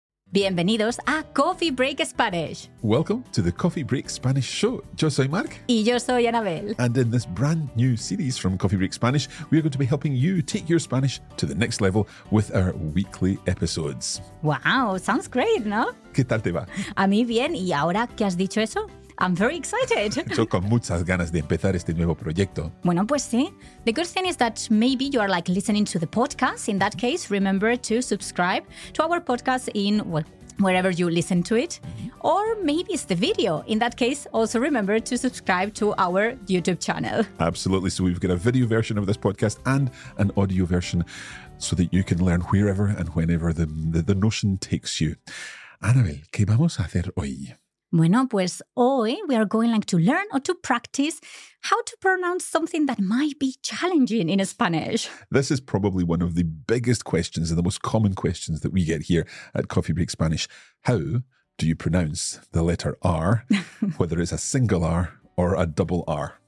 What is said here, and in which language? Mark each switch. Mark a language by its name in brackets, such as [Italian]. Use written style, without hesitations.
[Spanish] Bienvenidos a Coffee Break Spanish. [English] Welcome to the Coffee Break Spanish show. [Spanish] Yo soy Mark. Y yo soy Anabel. [English] And in this brand new series from Coffee Break Spanish, we are going to be helping you take your Spanish to the next level with our weekly episodes. Wow, sounds great, ¿no? [Spanish] ¿Qué tal te va? A mí bien. ¿Y ahora qué has dicho eso? [English] I'm very excited. [Spanish] Yo con muchas ganas de empezar este nuevo proyecto. Bueno, pues sí. [English] The good thing is that maybe you are like listening to the podcast. In that case, remember to subscribe to our podcast in wherever you listen to it. Mm-hmm. Or maybe it's the video. In that case, also remember to subscribe to our YouTube channel. Absolutely. So we've got a video version of this podcast and an audio version so that you can learn wherever and whenever the notion takes you. [Spanish] Anabel, ¿qué vamos a hacer hoy? Bueno, pues hoy [English] we are going like to learn or to practice how to pronounce something that might be challenging in Spanish. This is probably one of the biggest questions and the most common questions that we get here at Coffee Break Spanish. How do you pronounce the letter R, whether it's a single R or a double R?